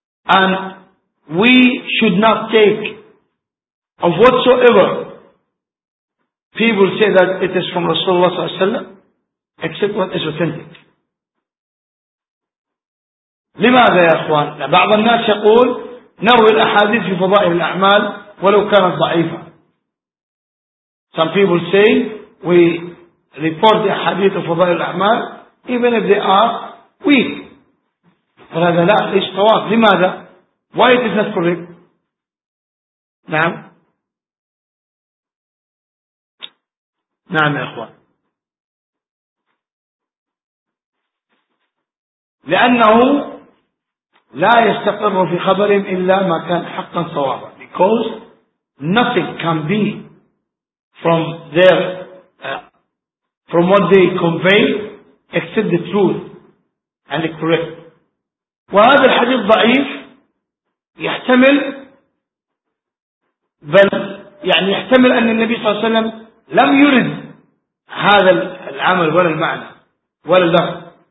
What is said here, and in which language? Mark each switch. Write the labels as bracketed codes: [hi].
[en] And we should not take of whatsoever people say that it is from Rasulullah sallallahu alaihi wasallam except what is authentic. [ar] لماذا يا أخوان؟ بعض الناس يقول نروي الأحاديث في فضائل الأعمال ولو كانت ضعيفة. [en] Some people say we report the [ar] أحاديث في فضائل الأعمال [en] even if they are weak. [ar] فهذا لا, ليش طواف؟ لماذا؟ [en] Why it is not correct؟ [ar] نعم نعم يا أخوان, لأنه لا يستقر في خبر إلا ما كان حقا صوابا. [en] Because nothing can be from their from what they convey except the truth and the correct. [ar] وهذا الحديث ضعيف يحتمل, بل يعني يحتمل أن النبي صلى الله عليه وسلم لم يرد هذا العمل ولا المعنى ولا اللفظ.